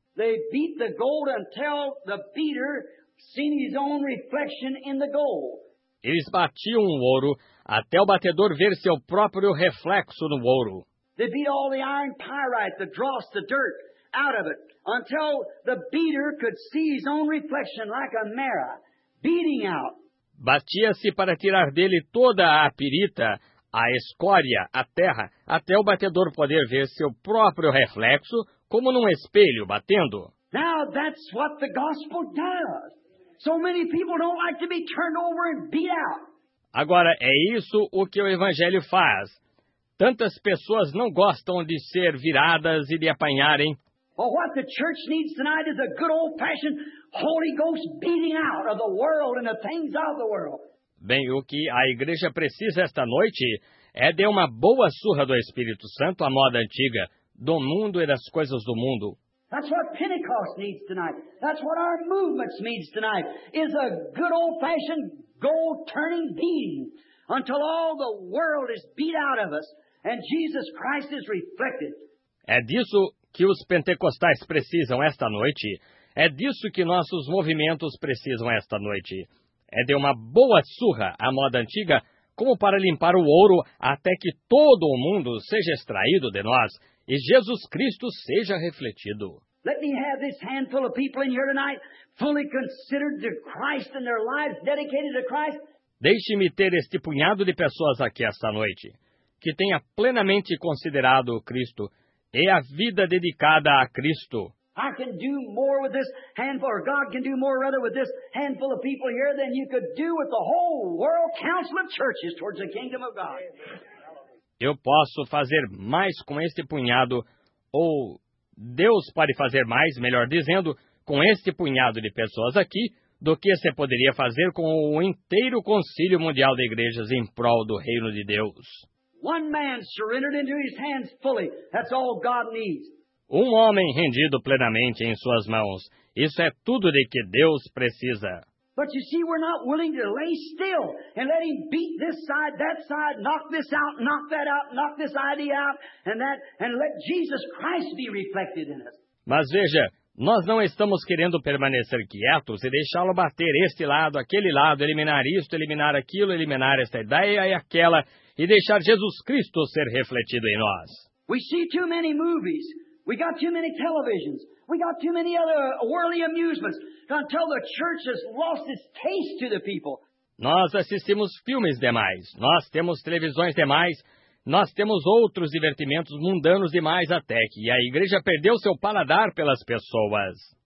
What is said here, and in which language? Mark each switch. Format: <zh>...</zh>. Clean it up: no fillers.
<en>They beat the gold until the beater seen his own reflection in the gold.</en> <pt>Eles batiam o ouro até o batedor ver seu próprio reflexo no ouro.</pt> <en>They beat all the iron pyrite, the dross, the dirt out of it until the beater could see his own reflection like a mirror beating out.</en> <pt>Batia-se para tirar dele toda a pirita, a escória, a terra, até o batedor poder ver seu próprio reflexo, como num espelho, batendo.</pt> <en>Now that's what the gospel does. So many people don't like to be turned over and beat out.</en> <pt>Agora, é isso o que o evangelho faz. Tantas pessoas não gostam de ser viradas e de apanharem.</pt> <en>Well, what the church needs tonight is a good old-fashioned Holy Ghost beating out of the world and the things of the world.</en> <pt>Bem, o que a igreja precisa esta noite é de uma boa surra do Espírito Santo à moda antiga, do mundo e das coisas do mundo.</pt> <en>That's what Pentecost needs tonight. That's what our movement needs tonight, is a good old-fashioned gold-turning beating until all the world is beat out of us and Jesus Christ is reflected.</en> <pt>É disso que os pentecostais precisam esta noite. É disso que nossos movimentos precisam esta noite. É de uma boa surra à moda antiga, como para limpar o ouro até que todo o mundo seja extraído de nós e Jesus Cristo seja refletido.</pt> <en>Let me have this handful of people in here tonight fully considered to Christ and their lives dedicated to Christ.</en> <pt>Deixe-me ter este punhado de pessoas aqui esta noite que tenha plenamente considerado o Cristo e a vida dedicada a Cristo.</pt> <en>I can do more with this handful, or God can do more, rather, with this handful of people here than you could do with the whole world council of churches towards the kingdom of God.</en> <pt>Eu posso fazer mais com este punhado, ou Deus pode fazer mais, melhor dizendo, com este punhado de pessoas aqui, do que você poderia fazer com o inteiro concílio mundial de igrejas em prol do reino de Deus.</pt> <en>One man surrendered into his hands fully. That's all God needs.</en> <pt>Um homem rendido plenamente em suas mãos. Isso é tudo de que Deus precisa.</pt> <en>But you see, we're not willing to lay still and let him beat this side, that side, knock this out, knock that out, knock this idea out, and that, and let Jesus Christ be reflected in us.</en> <pt>Mas veja, nós não estamos querendo permanecer quietos e deixá-lo bater este lado, aquele lado, eliminar isto, eliminar aquilo, eliminar esta ideia e aquela, e deixar Jesus Cristo ser refletido em nós.</pt> <en>We see too many movies. We got too many televisions. We got too many other worldly amusements until the church has lost its taste to the people.</en> <pt>Nós assistimos filmes demais. Nós temos televisões demais. Nós temos outros divertimentos mundanos demais até que a igreja perdeu seu paladar pelas pessoas.</pt>